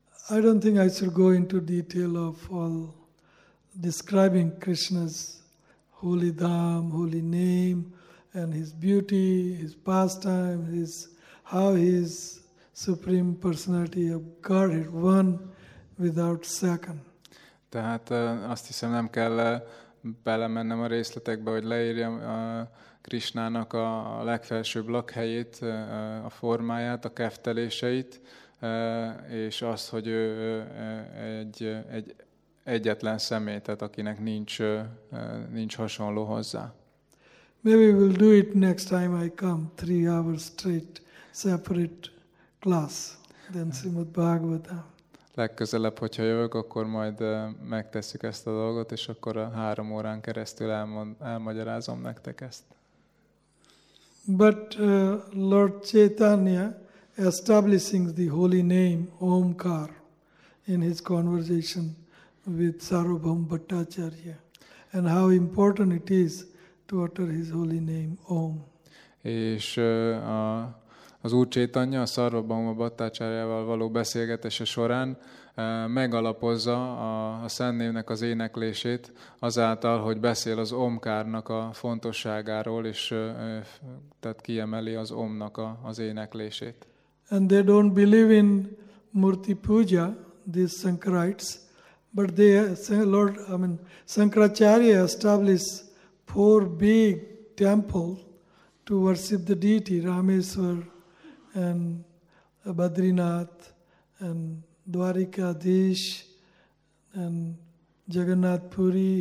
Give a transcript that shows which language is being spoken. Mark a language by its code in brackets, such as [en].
[en] I don't think I should go into detail of all describing Krishna's holy dham, holy name, and his beauty, his pastime, how he is supreme personality of Godhead, one without second. [hu] Tehát azt hiszem, nem kell belemennem a részletekbe, hogy leírjam Krishnának a legfelsőbb lakhelyét, a formáját, a kefteléseit, és azt, hogy ő egy egyetlen személy, tehát akinek nincs hasonló hozzá. [en] Maybe we'll do it next time I come, 3 hours straight, separate class, then Srimad Bhagavatam. [hu] Legközelebb, hogyha jövök, akkor majd megtesszük ezt a dolgot, és akkor a 3 órán keresztül elmagyarázom nektek ezt. [en] But Lord Chaitanya establishing the holy name Omkar in his conversation with Sarvabhauma Bhattacharya and how important it is to utter his holy name, Om. [hu] És az Úr Csétanya a Szarvabhauma Bhattácsárjával való beszélgetése során megalapozza a Szentnévnek az éneklését azáltal, hogy beszél az Omkárnak a fontosságáról, és tehát kiemeli az Omnak az éneklését. [en] And they don't believe in Murti Puja, these Sankarites, but they, Lord, I mean, Shankaracharya established 4 big temples to worship the deity, Rameswar and Badrinath and Dwarikadish and Jagannath Puri.